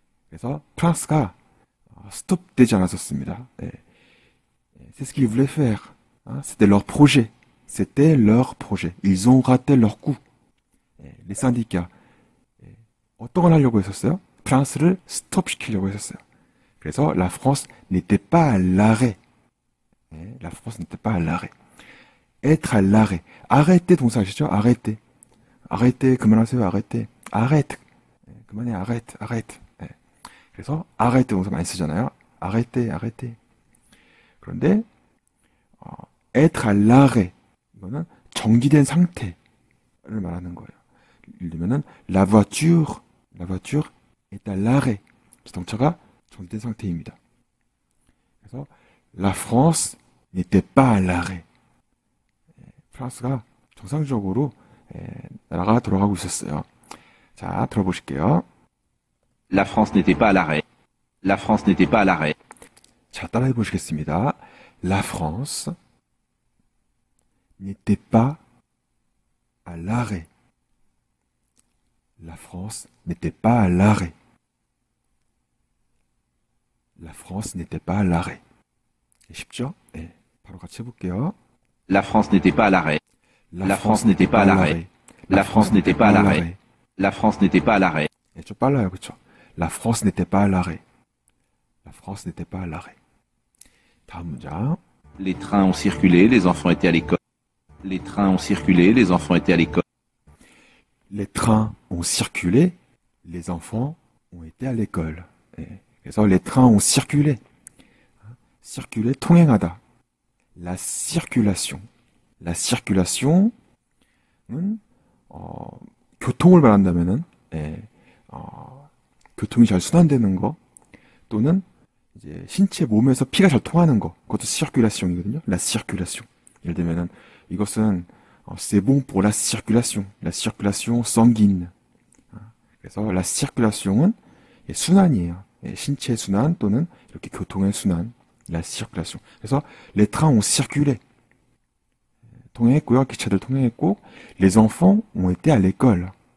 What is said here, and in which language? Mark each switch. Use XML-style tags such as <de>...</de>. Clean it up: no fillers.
<ko>그래서 프랑스가 stop 되지 않았었습니다. 네.</ko> <fr>C'est ce qu'ils voulaient faire. C'était leur projet. C'était leur projet. Ils ont raté leur coup. Les syndicats.</fr> <ko>어떤 걸 하려고 했었어요? 프랑스를 stop 시키려고 했었어요.</ko> <fr>그래서 la France n'était pas à l'arrêt. La France n'était pas à l'arrêt. Être à l'arrêt.</fr> <ko>Arrêter, 동사 아시죠?</ko> <fr>Arrêter.</fr> <ko>Arrêter, 그만하세요.</ko> <fr>Arrêter. Arrête. 그만해. Arrête. Arrête.</fr> <ko>그래서 arrêter, 동사 많이 쓰잖아요.</ko> <fr>Arrêter. Arrêter. 그런데 être à l'arrêt.</fr> <ko>이거는 정지된 상태를 말하는 거예요.</ko> <fr>예를 들면은 la voiture est à l'arrêt.</fr> <ko>자동차가 정지된 상태입니다.</ko> <fr>그래서 la France n'était pas à l'arrêt.</fr> <ko>프랑스가 정상적으로 나라가 돌아가고 있었어요. 자, 들어보실게요.</ko> <fr>La France n'était pas à l'arrêt. La France n'était pas à l'arrêt.</fr> <ko>자, 따라해 보시겠습니다.</ko> <fr>La France n'était pas à l'arrêt. La France n'était pas à l'arrêt. La France n'était pas à l'arrêt.</fr> <ko>쉽죠? 예. 바로 같이 해볼게요.</ko> <fr>La France n'était pas à l'arrêt. La France n'était pas à l'arrêt. La France n'était pas à l'arrêt. La France n'était pas à l'arrêt.</fr> <ko>예, 좀 빨라요, 그쵸?</ko> <fr>La France n'était pas à l'arrêt. La France n'était pas à l'arrêt.</fr> <ko>다음 문장.</ko> <fr>Les trains ont circulé, les enfants étaient à l'école. Les trains ont circulé, les enfants étaient à l'école. Les trains ont circulé, les enfants ont été à l'école. Les trains ont circulé. Circulé, 통행하다. La circulation.</fr> <ko>La circulation, 교통을 말한다면은, 교통이 잘 순환되는 거, 또는 이제 신체 몸에서 피가 잘 통하는 거, 그것도 circulation이거든요.</ko> <fr>La circulation.</fr> <ko>예를 들면은, 이것은</ko> <fr>c'est bon pour la circulation. La circulation sanguine.</fr> <ko>그래서 la circulation은 순환이에요. 신체 순환 또는 이렇게 교통의 순환.</ko> <fr>La circulation. 그래서 les trains ont circulé.</fr> <ko>통행했고요. 기차들 통행했고</ko> <fr>les enfants ont été à l'école.</fr>